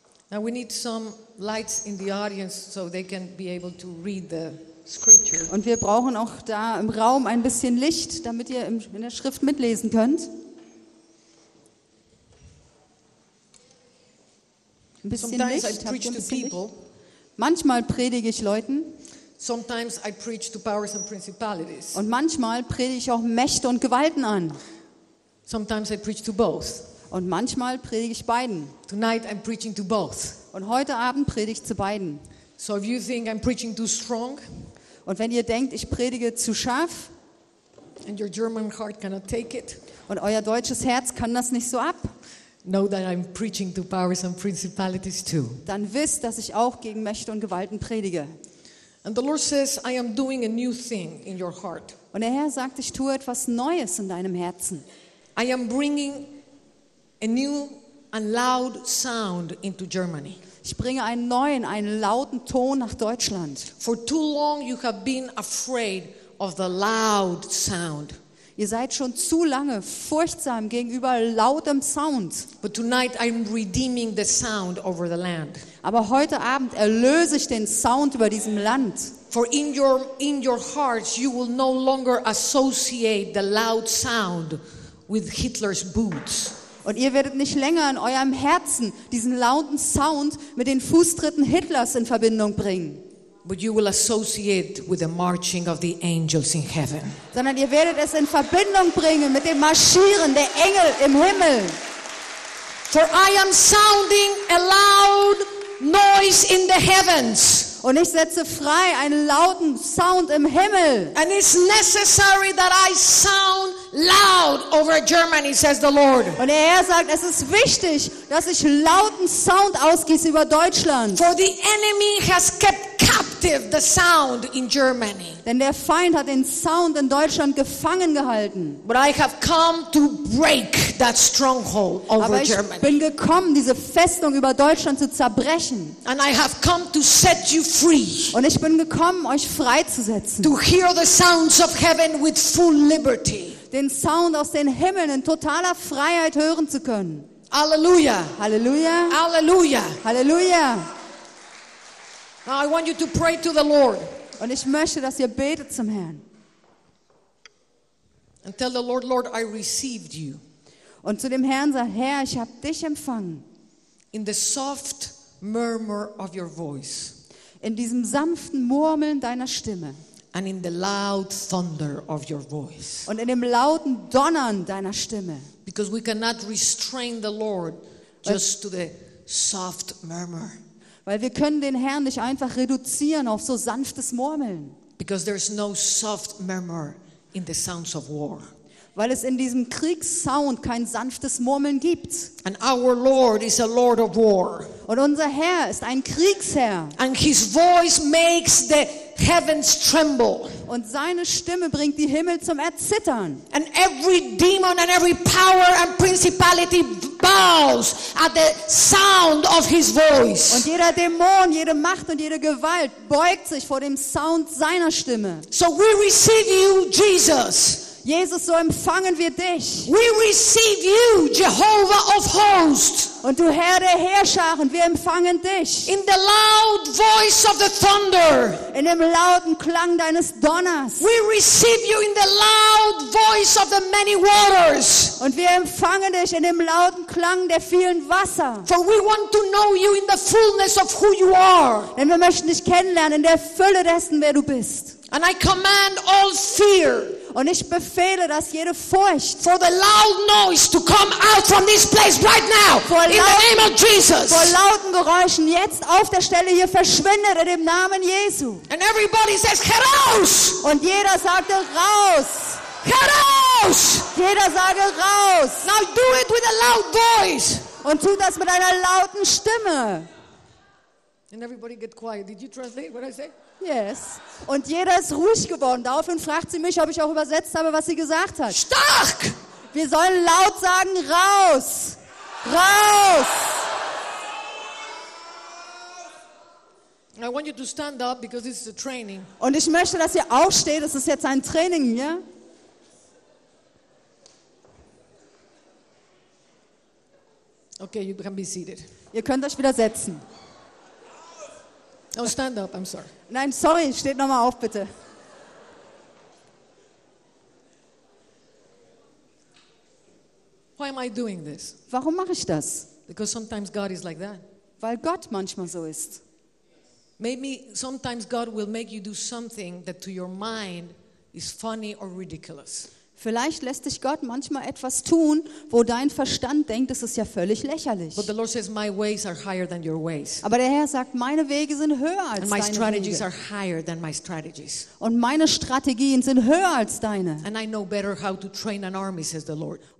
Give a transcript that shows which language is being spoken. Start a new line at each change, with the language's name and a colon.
English: Now we need some lights in the audience so they can be able to read the scripture.
German: Und wir brauchen auch da im Raum ein bisschen Licht, damit ihr in der Schrift mitlesen könnt. Ein bisschen
English: Sometimes
German: Licht,
English: I preach
German: ein bisschen
English: to people.
German: Manchmal predige ich Leuten.
English: Sometimes I preach to powers and principalities.
German: Und manchmal predige ich auch Mächte und Gewalten an.
English: Sometimes I preach to both.
German: Und manchmal predige ich beiden.
English: Tonight I'm preaching to both.
German: Und heute Abend predige ich zu beiden.
English: So if you think I'm preaching too strong,
German: und wenn ihr denkt, ich predige zu scharf,
English: and your German heart cannot take it,
German: und euer deutsches Herz kann das nicht so ab,
English: know that I'm preaching to powers and principalities too.
German: Dann wisst, dass ich auch gegen Mächte und Gewalten predige.
English: And the Lord says, I am doing a new thing in your heart.
German: Und der Herr sagt, ich tue etwas Neues in deinem Herzen.
English: I am bringing a new and loud sound into Germany.
German: Ich bringe einen neuen, einen lauten Ton nach Deutschland.
English: For too long you have been afraid of the loud sound.
German: Ihr seid schon zu lange furchtsam gegenüber lautem Sound.
English: But tonight I'm redeeming the sound over the land.
German: Aber heute Abend erlöse ich den Sound über diesem Land.
English: For in your hearts you will no longer associate the loud sound with Hitler's boots.
German: Und ihr werdet nicht länger in eurem Herzen diesen lauten Sound mit den Fußtritten Hitlers in Verbindung bringen.
English: But you will associate with the marching of the angels in heaven.
German: Sondern ihr werdet es in Verbindung bringen mit dem Marschieren der Engel im Himmel.
English: For I am sounding a loud noise in the heavens.
German: Und ich setze frei einen lauten Sound im Himmel.
English: And it's necessary that I sound loud over Germany, says the Lord.
German: Und der Herr sagt, es ist wichtig, dass ich lauten Sound ausgieße über Deutschland.
English: For the enemy has kept captive the sound in Germany.
German: Denn der Feind hat den Sound in Deutschland gefangen gehalten.
English: But I have come to break that stronghold over Germany.
German: Aber ich bin gekommen, diese Festung über Deutschland zu zerbrechen.
English: And I have come to set you free.
German: Und ich bin gekommen, euch freizusetzen.
English: To hear the sounds of heaven with full liberty.
German: Den Sound aus den Himmeln in totaler Freiheit hören zu können.
English: Halleluja.
German: Halleluja.
English: Halleluja.
German: Halleluja.
English: Now I want you to pray to the Lord.
German: Und ich möchte, dass ihr betet zum Herrn.
English: And tell the Lord, Lord, I received you.
German: Und zu dem Herrn sag, Herr, ich habe dich empfangen.
English: In the soft murmur of your voice.
German: In diesem sanften Murmeln deiner Stimme.
English: And in the loud thunder of your voice.
German: Und in dem lauten Donnern deiner Stimme.
English: Because we cannot restrain the Lord just to the soft murmur.
German: Weil wir können den Herrn nicht einfach reduzieren auf so sanftes Murmeln.
English: Because there's no soft murmur in the sounds of war.
German: Weil es in diesem Kriegssound kein sanftes Murmeln gibt.
English: And our Lord is a Lord of war.
German: Und unser Herr ist ein Kriegsherr.
English: And his voice makes the heavens tremble.
German: Und seine Stimme bringt die Himmel zum Erzittern.
English: And every demon and every power and principality bows at the sound of his voice.
German: Und jeder Dämon, jede Macht und jede Gewalt beugt sich vor dem Sound seiner Stimme.
English: So we receive you, Jesus.
German: Jesus, so empfangen wir dich.
English: We receive you, Jehovah of hosts.
German: Und du Herr der Heerscharen, wir empfangen dich.
English: In the loud voice of the thunder.
German: In dem lauten Klang deines Donners.
English: We receive you in the loud voice of the many waters.
German: Und wir empfangen dich in dem lauten Klang der vielen Wasser.
English: For we want to know you in the fullness of who you are.
German: Denn wir möchten dich kennenlernen in der Fülle dessen, wer du bist.
English: And I command all fear.
German: Und ich befehle, dass jede Furcht
English: for the loud noise to come out from this place right now in the name of Jesus.
German: Vor lauten Geräuschen jetzt auf der Stelle hier verschwindet in dem Namen Jesu.
English: And everybody says
German: heraus. Und jeder sagte raus. Heraus. Jeder sage raus.
English: Now do it with a loud voice.
German: Und tu das mit einer lauten Stimme.
English: And everybody get quiet. Did you translate what I say? Yes.
German: Und jeder ist ruhig geworden. Daraufhin fragt sie mich, ob ich auch übersetzt habe, was sie gesagt hat. Stark! Wir sollen laut sagen, raus! Raus!
English: I want you to stand up because this is a training.
German: Und ich möchte, dass ihr aufsteht. Es ist jetzt ein Training, ja?
English: Okay, you can be seated.
German: Ihr könnt euch wieder setzen.
English: Oh, stand up, I'm sorry.
German: Nein, sorry, steht nochmal auf, bitte.
English: Why am I doing this?
German: Warum mache ich das?
English: Because sometimes God is like that.
German: Weil Gott manchmal so ist.
English: Maybe sometimes God will make you do something that to your mind is funny or ridiculous.
German: Vielleicht lässt dich Gott manchmal etwas tun, wo dein Verstand denkt, es ist ja völlig lächerlich.
English: But the Lord says, my ways are higher than your ways.
German: Aber der Herr sagt, meine Wege sind höher als
English: My strategies are higher than my strategies.
German: Und meine Strategien sind höher als deine.
English: And I know better how to train an army, says the Lord.